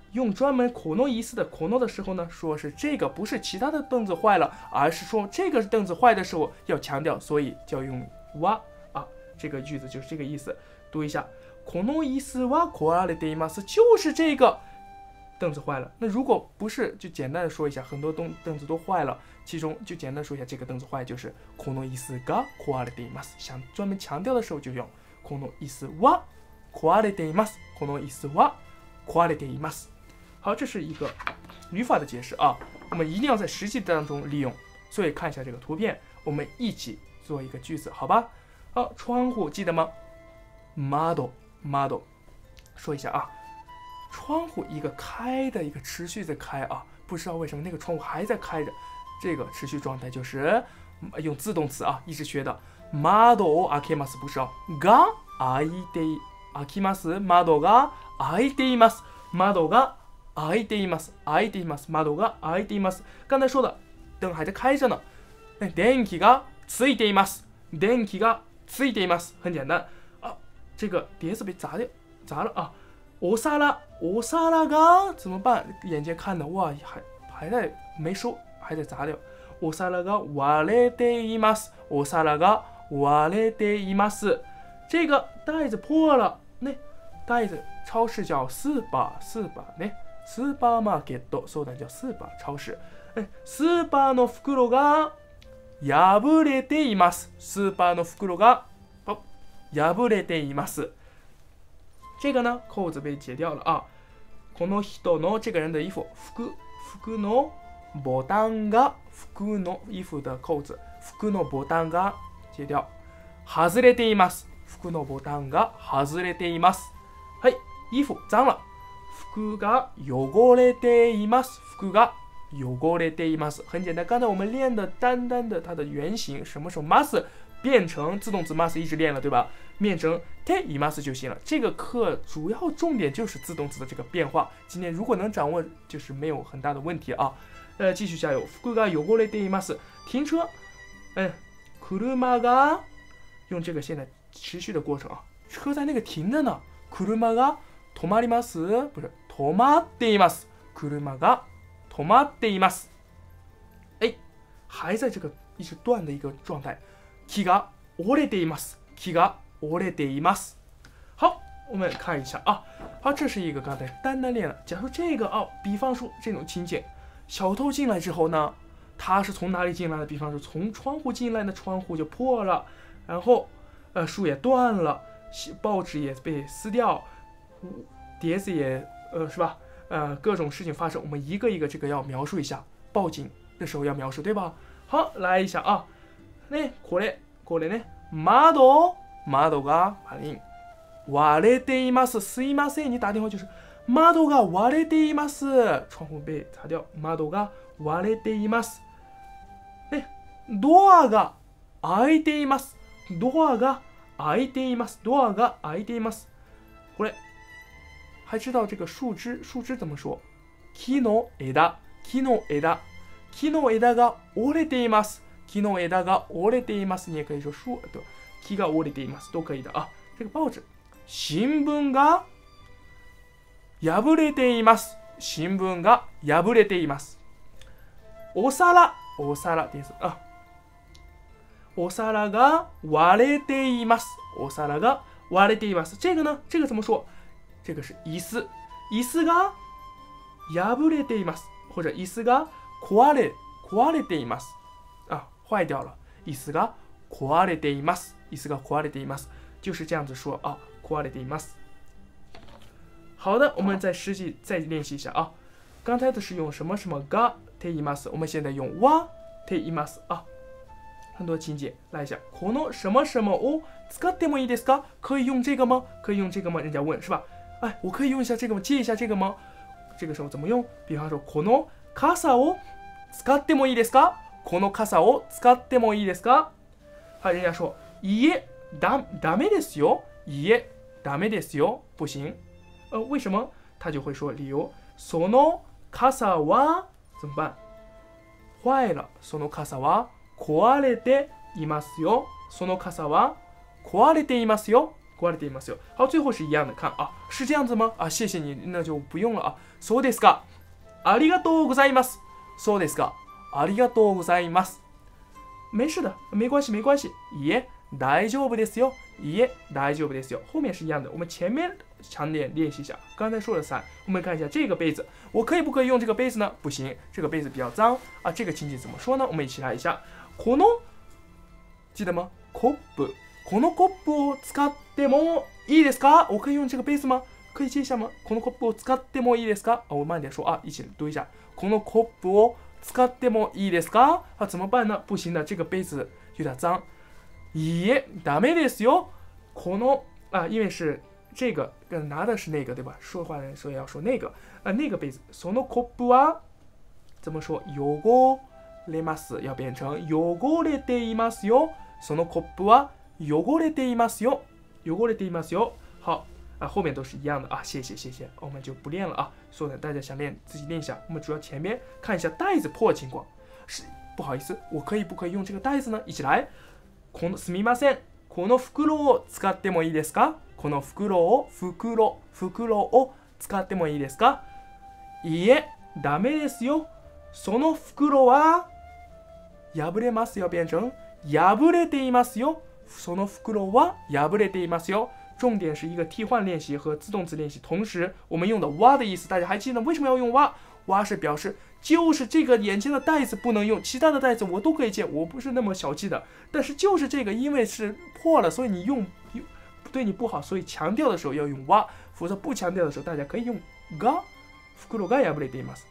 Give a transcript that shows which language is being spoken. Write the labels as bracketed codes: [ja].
[zh] 用专门この椅子的この的时候呢，说是这个不是其他的凳子坏了，而是说这个凳子坏的时候要强调，所以叫用は啊，这个句子就是这个意思。读一下， [ja] この椅子は壊れています， [zh] 就是这个凳子坏了。那如果不是，就简单的说一下，很多凳子都坏了，其中就简单说一下这个凳子坏，就是 [ja] この椅子が壊れています。 [zh] 想专门强调的时候就用 [ja] この椅子は壊れています。この椅子は壊れています。 [zh] 好，这是一个语法的解释啊，我们一定要在实际当中利用。所以看一下这个图片，我们一起做一个句子，好吧？好，窗户记得吗 ？Model， 说一下啊，窗户一个开的一个持续在开啊，不知道为什么那个窗户还在开着，这个持续状态就是用自动词啊，一直学的 ， [ja] Model を開けます， [zh] 不是哦 ， [ja] が開いて開きます、窓が開いています、窓が開いています、 [zh] 開いています、窓が開いています。刚才说的灯还在开着呢。 [ja] 電気がついています、電気がついています。 [zh] 很简单。啊，这个碟子被砸掉，砸了啊。我杀了个怎么办？眼睛看的哇，还在没收，还得砸掉。我杀了个瓦勒德伊玛斯，我杀了个瓦勒德伊玛斯，这个袋子破了，那袋子超市叫四把四把呢，四把嘛给多，所以叫四把超市。 [ja] スーパーの袋が破れています。スーパーの袋が破れています。 [zh] 这个呢，扣子被解掉了啊。 [ja] この人の [zh] 这个人的衣服、 [ja] 服のボタンが服の [zh] 衣服的扣子、 [ja] 服のボタンが [zh] 解掉。 [ja] 外れています。服のボタンが外れています。はい、衣服脏了。服が汚れています。服が汚れています。 [zh] 很简单，刚才我们练的单单的它的原型什么什么 mas 变成自动词 mas 一直练了，对吧？变成 te imas 就行了。这个课主要重点就是自动词的这个变化。今天如果能掌握，就是没有很大的问题啊。继续加油。 [ja] 服が汚れています。 [zh] 停车，車が用这个现在持续的过程啊，车在那个停着呢。 [ja] 車が止まります，不是止まっています。車が止まっています。 [zh] 哎，还在这个一直断的一个状态。木が折れています。 [ja] 木が折れています。 [zh] 好，我们看一下啊。好，这是一个刚才单单练了。假如这个啊，比方说这种情景，小偷进来之后呢，他是从哪里进来的？比方说从窗户进来的，窗户就破了，然后树也断了，报纸也被撕掉，碟子也是吧？各种事情发生，我们一个一个这个要描述一下，报警的时候要描述，对吧？好，来一下啊， [ja] ね、これ、これね、窓、窓が割れています。すいません、 [zh] 你打电话就是 [ja] 窓が割れています。 [zh] 窗户被砸掉、 [ja] 窓が割れています。ね、ドアが開いています。ドアが開いています。ドアが開いています。これ。 [zh] 还知道这个树枝，树枝怎么说？ [ja] 木の枝，木の枝，木の枝が折れています。木の枝が折れています。 [zh] 你也可以说树，对吧？ [ja] 木が折れています， [zh] 都可以的啊。这个报纸， [ja] 新聞が破れています。新聞が破れています。お皿，お皿です啊。お皿が割れています。お皿が割れています。 [zh] 这个呢？这个怎么说？这个是椅子，椅子 [ja] が破れています， [zh] 或者椅子 [ja] が壊れています， [zh] 啊，坏掉了。 [ja] 椅子が壊れています，椅子が壊れています，就是这样子说啊，壊れています。 [zh] 好的，我们再实际再练习一下啊。刚才的是用什么什么がています，我们现在用わています啊。很多情节，来一下，この什么什么 [ja] を使ってもいいですか？ [zh] 可以用这个吗？可以用这个吗？人家问是吧？哎，我可以用一下这个吗？借一下这个吗？这个时候怎么用？比方说， [ja] この傘を使ってもいいですか？この傘を使ってもいいですか？はい、 [zh] 人家说， [ja] いいえ、ダメですよ。いいえ、ダメですよ。 [zh] 不行。为什么？他就会说理由。 [ja] その傘は [zh] 怎么办？坏了。 [ja] その傘は壊れていますよ。その傘は壊れていますよ。壊れていますよ。 [zh] 好，最后是一样的，看啊，是这样子吗？啊，谢谢你，那就不用了啊。 [ja] そうですか。ありがとうございます。そうですか。ありがとうございます。 [zh] 没事的，没关系，没关系。 [ja] いえ、大丈夫ですよ。いえ、大丈夫ですよ。 [zh] 后面是一样的，我们前面强点练习一下。刚才说了三，我们看一下这个杯子，我可以不可以用这个杯子呢？不行，这个杯子比较脏啊。这个情景怎么说呢？我们一起来一下。この，记得吗？コップ。 [ja] このコップを使ってもいいですか？ [zh] 我可以用这个杯子吗？可以借一下吗？ [ja] このコップを使ってもいいですか？ [zh] 啊，我慢点说啊，一起读一下。 [ja] このコップを使ってもいいですか？ [zh] 啊，怎么办呢？不行的，这个杯子有点脏。 [ja] いいえ、ダメですよ。 [zh] この啊，因为是这个，拿的是那个，对吧？说话人所以要说那个，那个杯子。 [ja] そのコップは [zh] 怎么说？ [ja] 汚れます， [zh] 要变成 [ja] 汚れていますよ。そのコップは汚れていますよ。汚れていますよ。 [zh] 好啊，后面都是一样的啊。谢谢谢谢，我们就不练了啊。所以大家想练自己练一下。我们主要前面看一下袋子破的情况。是不好意思，我可以不可以用这个袋子呢？一起来。 [ja] このすみません。この袋を使ってもいいですか？この袋を袋を使ってもいいですか？いいえ、ダメですよ。その袋は破れますよ、 [zh] 变成 [ja] 破れていますよ。その袋は破れていますよ。 [zh] 重点是一个替换练习和自动词练习，同时我们用的哇的意思，大家还记得为什么要用哇？哇是表示就是这个眼前的袋子不能用，其他的袋子我都可以借，我不是那么小气的。但是就是这个，因为是破了，所以你用对你不好，所以强调的时候要用哇，否则不强调的时候大家可以用が。 [ja] 袋が破れています。